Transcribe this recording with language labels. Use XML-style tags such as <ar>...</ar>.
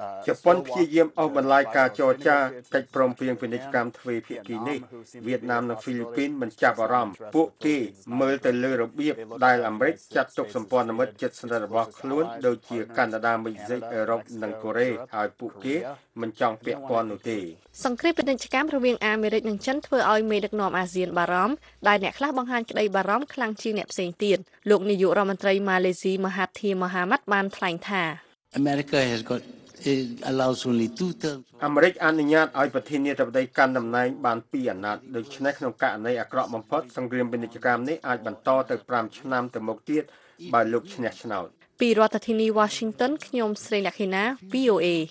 <km>ជប៉ុនព្យាយាមអស់បន្លាយការចរចាកិច្ចព្រមព្រៀងពាណិជ្ជកម្មទ្វេភាគីនេះវៀតណាមនិងហ្វីលីពីនមិនចាប់អារម្មណ៍ពួកគេមើលទៅលើរបៀបដែលអាមេរិកចាត់ទុកសម្ព័ន្ធមិត្តជិតស្និទ្ធរបស់ខ្លួនដូចជាកាណាដាមិចស៊ិកអឺរ៉ុបនិងកូរ៉េហើយពួកគេមិនចង់ពាក់ព័ន្ធនោះទេ សង្គ្រាមពាណិជ្ជកម្មរវាងអាមេរិកនិងចិនធ្វើឲ្យមេដឹកនាំអាស៊ានបារម្ភដែលអ្នកខ្លះបង្ហាញក្តីបារម្ភខ្លាំងជាងអ្នកផ្សេងទៀតលោកនាយករដ្ឋមន្ត្រីម៉ាឡេស៊ីមហាធីមូហាម៉ាត់បានថ្លែងថា</km> <en>America has got it allows only 2 terms</en> <km>អាមេរិកអនុញ្ញាតឲ្យប្រធានាធិបតីកាន់តំណែងបាន2អាណត្តិដូច្នេះក្នុងករណីអាក្រក់បំផុតសង្គ្រាមពាណិជ្ជកម្មនេះអាចបន្តទៅ5ឆ្នាំទៅមុខទៀតបើលោកឈ្នះឆ្នោត ពីរដ្ឋធានី Washington ខ្ញុំស្រីលក្ខិណា VOA</km>